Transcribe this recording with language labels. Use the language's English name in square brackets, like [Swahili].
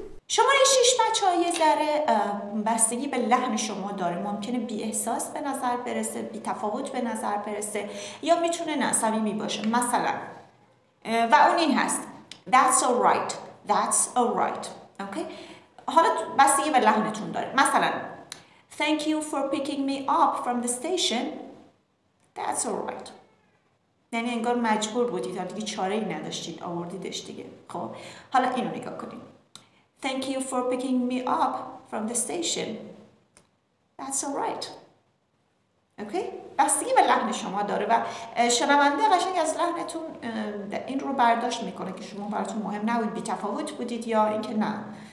[Persian] شماره 6 بچه‌ها یه ذره بستگی به لحن شما داره. ممکنه بی احساس به نظر برسه، بی تفاوت به نظر برسه یا میتونه نصمیمی باشه. مثلا و اون این هست [English] That's alright. Okay. [Persian] حالا بستگی به لحنتون داره. مثلا [English] Thank you for picking me up from the station. That's alright. [Persian] یعنی انگار مجبور بودید حالا دیگه چاره ای نداشتید آوردیدش دیگه. خب حالا اینو نگاه کنیم. [English] Thank you for picking me up from the station. That's all right. Okay? [Persian] بستگی به لحن شما داره و شنونده قشنگ از لحنتون این رو برداشت میکنه که شما براتون مهم نبود، بی تفاوت بودید یا اینکه نه.